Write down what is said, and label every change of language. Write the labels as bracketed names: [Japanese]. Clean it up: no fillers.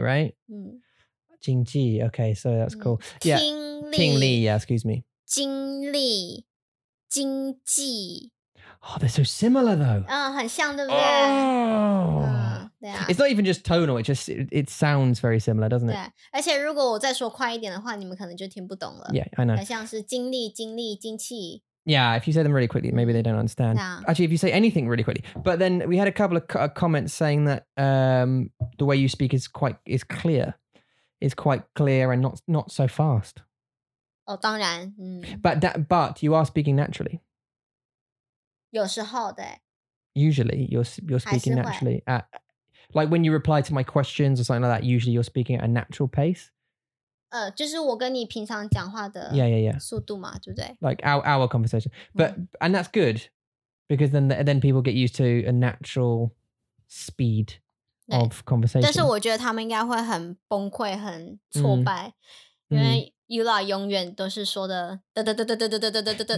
[English] right? Jingji, okay, so that's cool. Tingli, yeah, excuse me. [Chinese] 经历，经济。 [English] Oh, they're so similar, though. [Chinese] 很像，对不对？ Oh! 对啊。 [English] It's not even just tonal, it sounds very similar, doesn't it? [Chinese] 对，而且如果我再说快一点的话，你们可能就听不懂了。 [English] Yeah, I know. [Chinese] 很像是经历，经历，经济。 [English] Yeah, if you say them really quickly, maybe they don't understand. Yeah. Actually, if you say anything really quickly. But then we had a couple of comments saying that the way you speak is quite clear and not so fast. [Chinese] 当然 [English] But you are speaking naturally. [Chinese] 有时候对。 [English] Usually, you're speaking naturally. Like when you reply to my questions or something like that, usually you're speaking at a natural pace. [Chinese] 就是我跟你平常讲话的速度嘛，对不对？ [English] Like our conversation. And that's good, because then people get used to a natural speed of conversation. [Chinese] 但是我觉得他们应该会很崩溃，很挫败，因为Yula 永远都是说的得得得得得得得得得得得